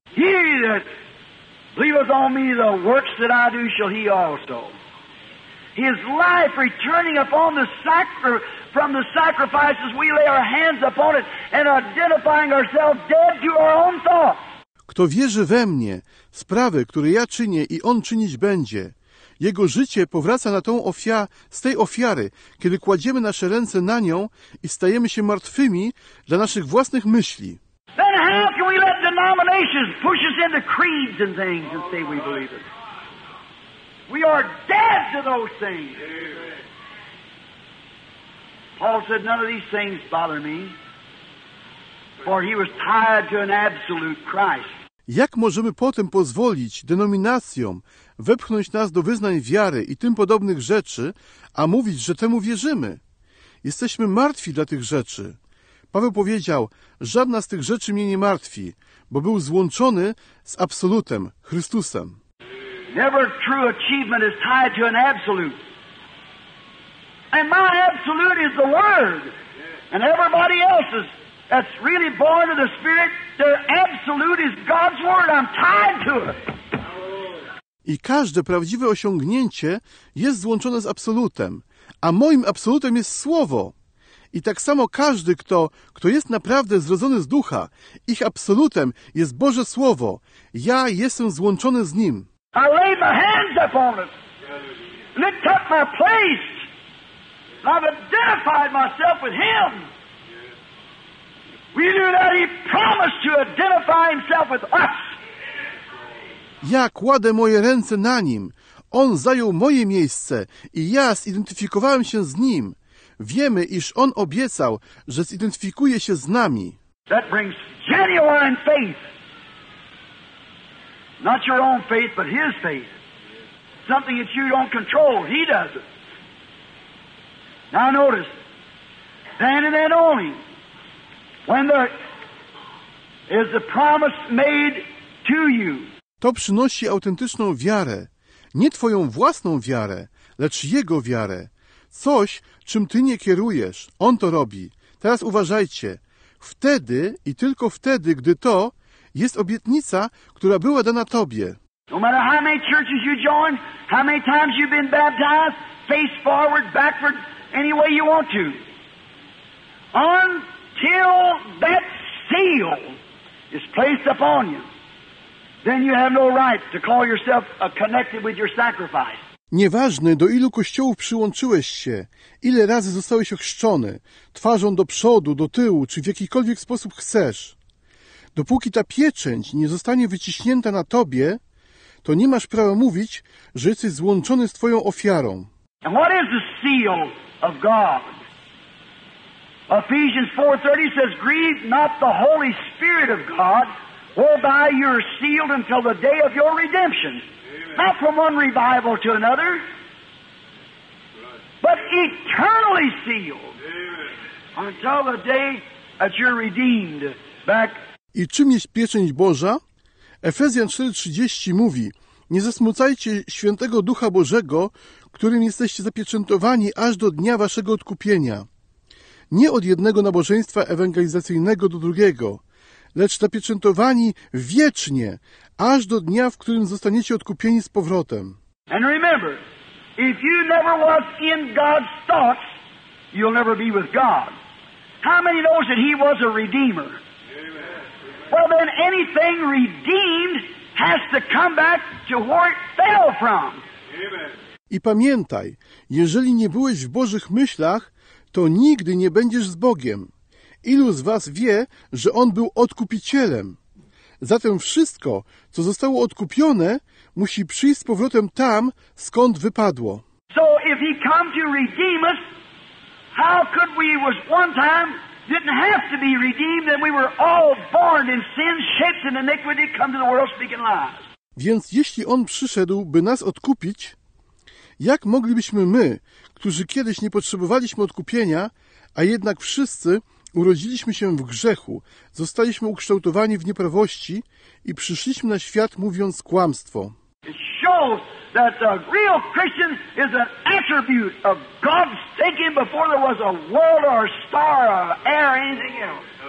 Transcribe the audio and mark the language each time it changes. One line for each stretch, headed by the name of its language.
English: He that believeth on me, the works that I do shall he also. His life returning upon the from the sacrifices we lay our hands upon it and identifying ourselves dead to our own thoughts.
Polish: Kto wierzy we mnie, sprawy, które ja czynię i on czynić będzie, jego życie powraca na tą z tej ofiary, kiedy kładziemy nasze ręce na nią i stajemy się martwymi dla naszych własnych myśli.
English: Then how can we let denominations push us into creeds and things and say we believe it? We are dead to those things. Paul said, none of these things bother me. For he was tied to an absolute Christ.
Polish: Jak możemy potem pozwolić denominacjom wepchnąć nas do wyznań wiary i tym podobnych rzeczy, a mówić, że temu wierzymy? Jesteśmy martwi dla tych rzeczy. Paweł powiedział, żadna z tych rzeczy mnie nie martwi, bo był złączony z absolutem, Chrystusem.
English: Never true achievement is tied to an absolute. And my absolute is the Word. And everybody else's. That's really born of the Spirit. Their absolute is God's word. I'm tied to it.
Polish: I każde prawdziwe osiągnięcie jest złączone z absolutem, a moim absolutem jest Słowo. I tak samo każdy, kto jest naprawdę zrodzony z Ducha, ich absolutem jest Boże Słowo. Ja jestem złączony z Nim.
English: I laid my hands upon it. And it took my place. I've identified myself with Him. We knew that he promised to identify himself with us.
Polish: Ja kładę moje ręce na nim. On zajął moje miejsce i ja zidentyfikowałem się z nim. Wiemy, iż on obiecał, że zidentyfikuje się z nami.
English: That brings genuine faith. Not your own faith, but his faith. Something that you don't control. He does it. Now notice. Then and then only. When there is a promise made to you.
Polish: To przynosi autentyczną wiarę, nie twoją własną wiarę, lecz jego wiarę. Coś, czym ty nie kierujesz, on to robi. Teraz uważajcie. Wtedy i tylko wtedy, gdy to jest obietnica, która była dana tobie.
English: No matter how many churches you join, how many times you've been baptized, face forward, backward, any way you want to. On. Till that seal is placed upon you, then you have no right to call yourself connected with your sacrifice.
Polish: Nieważne, do ilu kościołów przyłączyłeś się, ile razy zostałeś ochrzczony, twarzą do przodu, do tyłu, czy w jakikolwiek sposób chcesz. Dopóki ta pieczęć nie zostanie wyciśnięta na tobie, to nie masz prawa mówić, że jesteś złączony z twoją ofiarą.
English: And what is the seal of God? Ephesians 4:30 says, "Grieve not the Holy Spirit of God, whereby you are sealed until the day of your redemption." Amen. Not from one revival to another, but eternally sealed. Amen. Until the day that you're redeemed back.
Polish: I czym jest pieczęć Boża? Efezjan 4:30 mówi: "Nie zasmucajcie Świętego Ducha Bożego, którym jesteście zapieczętowani aż do dnia waszego odkupienia." Nie od jednego nabożeństwa ewangelizacyjnego do drugiego, lecz zapieczętowani wiecznie, aż do dnia, w którym zostaniecie odkupieni z powrotem.
English: And remember, if you never was in God's thoughts, you'll never be with God. How many knows that He was a redeemer? Amen. Well then, anything redeemed has to come back to where it fell from. Amen.
Polish: I pamiętaj, jeżeli nie byłeś w Bożych myślach, to nigdy nie będziesz z Bogiem. Ilu z was wie, że on był odkupicielem? Zatem wszystko, co zostało odkupione, musi przyjść z powrotem tam, skąd wypadło.
English: So if he come to redeem us, how could we was one time didn't have to be redeemed and we were all born in sin, shaped in iniquity, come to the world speaking lies.
Polish: Więc jeśli on przyszedł, by nas odkupić, jak moglibyśmy my, którzy kiedyś nie potrzebowaliśmy odkupienia, a jednak wszyscy urodziliśmy się w grzechu, zostaliśmy ukształtowani w nieprawości i przyszliśmy na świat mówiąc kłamstwo.
English: It shows that a real Christian is an attribute of God's thinking before there was a world or a star or air or anything else.